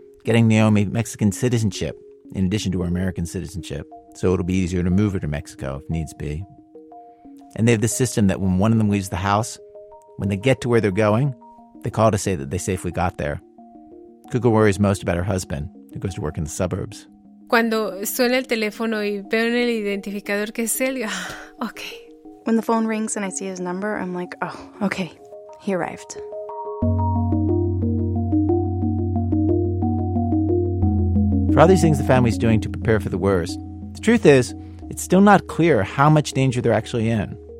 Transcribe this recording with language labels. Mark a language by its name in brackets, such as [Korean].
[English] Getting Naomi Mexican citizenship. In addition to her American citizenship, so it'll be easier to move her to Mexico if needs be. And they have this system that when one of them leaves the house, when they get to where they're going, they call to say that they safely got there. Cuca worries most about her husband, who goes to work in the suburbs. [Spanish] Cuando suena el teléfono y veo el identificador que es él, okay. [English] When the phone rings and I see his number, I'm like, oh, okay, he arrived. For all these things the family's doing to prepare for the worst, the truth is, it's still not clear how much danger they're actually in.